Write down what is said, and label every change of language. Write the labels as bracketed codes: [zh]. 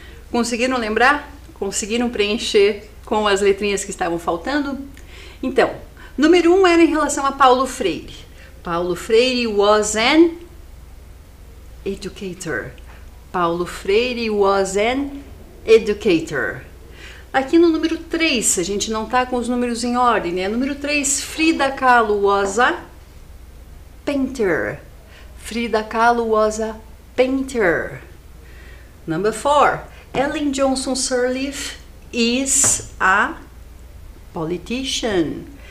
[pt] Conseguiram lembrar? Conseguiram preencher com as letrinhas que estavam faltando? Então, número 1 era em relação a Paulo Freire. [en] Paulo Freire was an educator. Paulo Freire was an educator. [pt] Aqui no número 3, a gente não está com os números em ordem, né? Número 3, [en] Frida Kahlo was a painter. Frida Kahlo was a painter. Number 4. Ellen Johnson Sirleaf is a politician.